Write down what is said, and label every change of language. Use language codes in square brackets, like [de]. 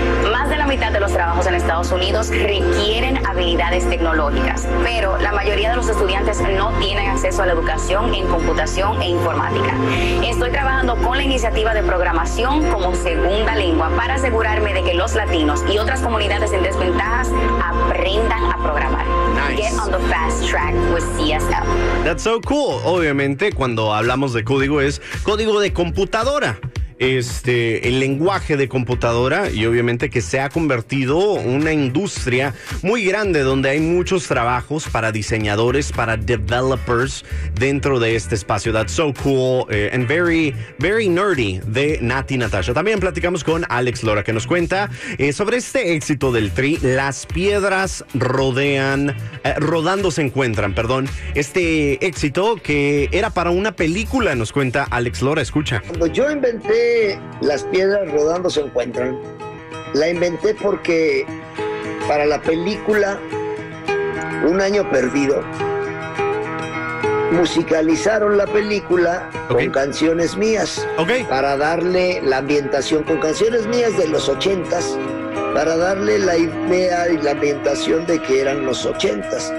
[es] Más de la mitad de los trabajos en Estados Unidos requieren habilidades tecnológicas, pero la mayoría de los estudiantes no tienen acceso a la educación en computación e informática. Estoy trabajando con la iniciativa de programación como segunda lengua para asegurarme de que los latinos y otras comunidades en desventajas aprendan a programar. [en] Nice. Get on the fast track with CSL. That's so cool. [es] Obviamente, cuando hablamos de código, es código de computadora. El lenguaje de computadora, y obviamente que se ha convertido una industria muy grande donde hay muchos trabajos para diseñadores, para developers dentro de este espacio. [en] That's so cool and very, very nerdy de Nati Natasha. [es] También platicamos con Alex Lora, que nos cuenta sobre este éxito del Tri. Las piedras rodando se encuentran. Este éxito que era para una película, nos cuenta Alex Lora. Escucha. Cuando yo inventé Las piedras rodando se encuentran, la inventé porque para la película Un año perdido musicalizaron la película con canciones mías para darle la ambientación con canciones mías de los ochentas, para darle la idea y la ambientación de que eran los ochentas.